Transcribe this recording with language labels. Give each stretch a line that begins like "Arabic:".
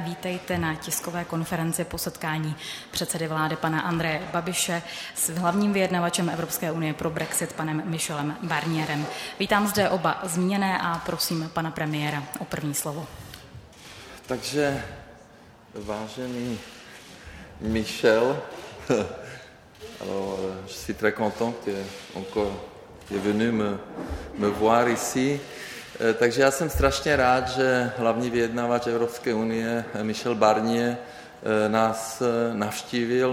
Czech: Vítejte na tiskové konferenci po setkání předsedy vlády pana Andreje Babiše s hlavním vyjednavačem Evropské unie pro Brexit panem Michelem Barnierem. Vítám zde oba zmíněné a prosím pana premiéra o první slovo. Takže, vážený
French: Michel, je suis très content que encore tu es venu me voir ici.
Czech: Takže já jsem strašně rád, že hlavní vyjednavač Evropské unie Michel Barnier nás navštívil.